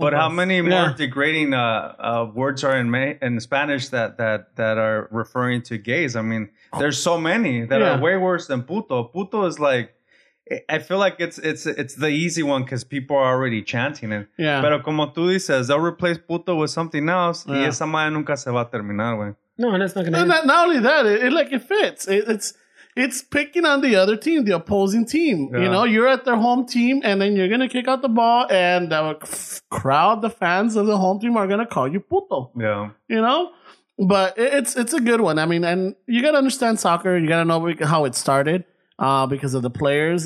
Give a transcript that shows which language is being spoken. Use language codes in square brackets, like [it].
[en] But how many more degrading words are in Spanish that are referring to gays? I mean, there's so many that are way worse than puto. Puto is like, I feel like it's the easy one because people are already chanting it. Yeah. Pero como tú dices, they'll replace puto with something else. [es] Yeah. Y esa madre nunca se va a terminar, güey. [en] No, and that's not going to happen. Not only that, it fits. It's picking on the other team, the opposing team. Yeah. You know, you're at their home team, and then you're going to kick out the ball, and the crowd, the fans of the home team are going to call you puto. Yeah. You know? But it's a good one. I mean, and you got to understand soccer. You got to know how it started because of the players.